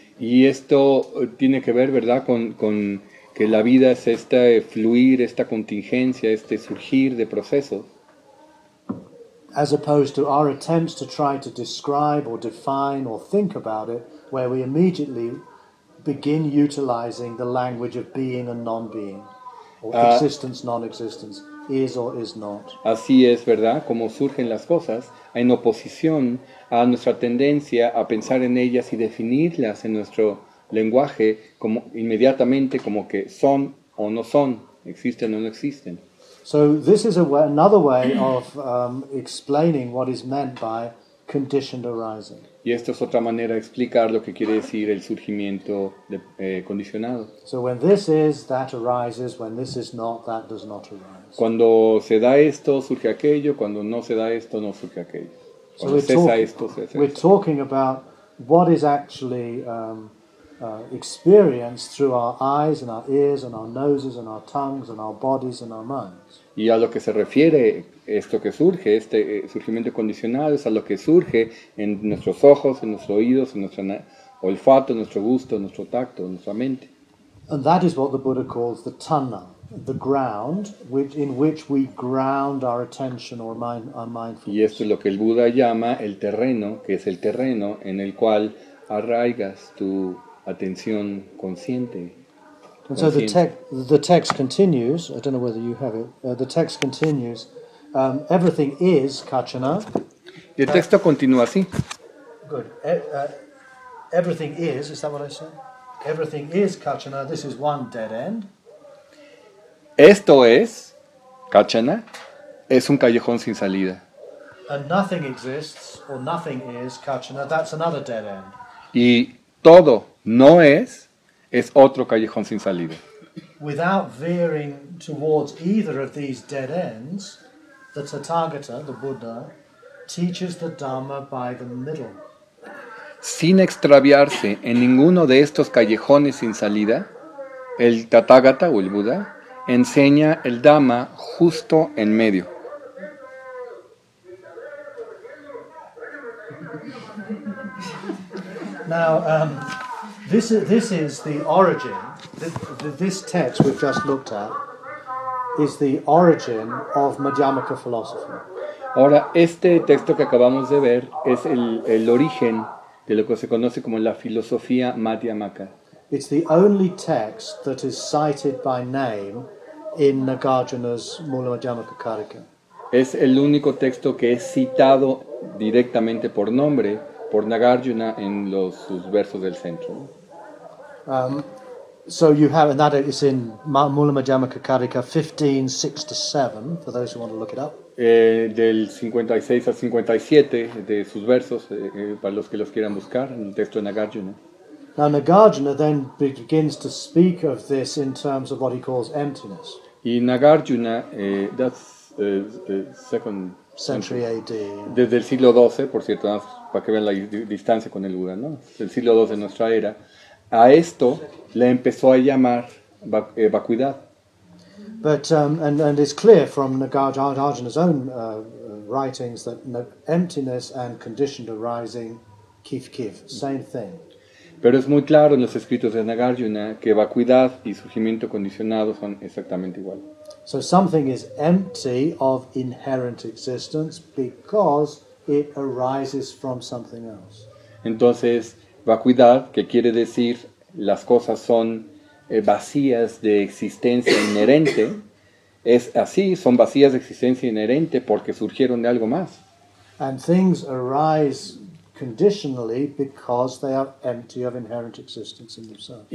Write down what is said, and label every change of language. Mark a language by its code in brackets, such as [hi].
[es] Y esto tiene que ver, ¿verdad?, con que la vida es este fluir, esta contingencia, este surgir de procesos. [en] as opposed to our attempts to try to describe or define or think about it, where we immediately begin utilizing the language of being and non-being, or existence, non-existence, is or is not. [es] Así es, ¿verdad? Como surgen las cosas, en oposición a nuestra tendencia a pensar en ellas y definirlas en nuestro lenguaje como inmediatamente como que son o no son, existen o no existen. [en] So this is another way of explaining what is meant by conditioned arising. [es] Y esto es otra manera de explicar lo que quiere decir el surgimiento de, condicionado. [en] So when this is, that arises. When this is not, that does not arise. [es] Cuando se da esto, surge aquello. Cuando no se da esto, no surge aquello. Cuando so [en] we're talking about what is actually experienced through our eyes and our ears and our noses and our tongues and our bodies and our minds. [es] Y a lo que se refiere esto que surge, este surgimiento condicionado, es a lo que surge en nuestros ojos, en nuestros oídos, en nuestro olfato, en nuestro gusto, en nuestro tacto, en nuestra mente. [en] And that is what the Buddha calls the tana, the ground which, in which we ground our attention or mind, our mindfulness. [es] Y esto es lo que el Buda llama el terreno, que es el terreno en el cual arraigas tu atención consciente. [en] And so the text continues. I don't know whether you have it. The text continues. Everything is kachana. [es] Y el texto continúa así. [en] Good. Everything is. Is that what I said? Everything is kachana. This is one dead end. [es] Esto es kachana. Es un callejón sin salida. [en] And nothing exists or nothing is kachana. That's another dead end. [es] Y todo no es. Es otro callejón sin salida. [en] Without veering towards either of these dead ends, the Tathagata, the Buddha, teaches the Dhamma by the middle. [es] Sin extraviarse en ninguno de estos callejones sin salida, el Tathagata o el Buda enseña el Dhamma justo en medio. [en] Now, This is the origin. This text we've just looked at is the origin of Madhyamaka philosophy. [es] Ahora este texto que acabamos de ver es el origen de lo que se conoce como la filosofía Madhyamaka. [en] It's the only text that is cited by name in Nagarjuna's Mula Madhyamaka Karika. [es] Es el único texto que es citado directamente por nombre por Nagarjuna en sus versos del centro. [en] So you have, and that is in Mula Madhyamaka Karika 15:6-7, for those who want to look it up. [es] Del 56 al 57 de sus versos, para los que los quieran buscar, en el texto de Nagarjuna. [en] Now Nagarjuna then begins to speak of this in terms of what he calls emptiness. Y Nagarjuna, that's the second century AD. [es] Desde el siglo XII, por cierto, para que vean la distancia con el Buda, ¿no? El siglo XII de nuestra era, a esto le empezó a llamar vacuidad. [en] But and it's clear from Nagarjuna's own writings that emptiness and conditioned arising, kif, same thing. [es] Pero es muy claro en los escritos de Nagarjuna que vacuidad y surgimiento condicionado son exactamente igual. [en] So something is empty of inherent existence because it arises from something else. [es] Entonces, vacuidad, que quiere decir las cosas son vacías de existencia inherente, es así, son vacías de existencia inherente porque surgieron de algo más. [en] And things arise conditionally because they are empty of inherent existence in themselves.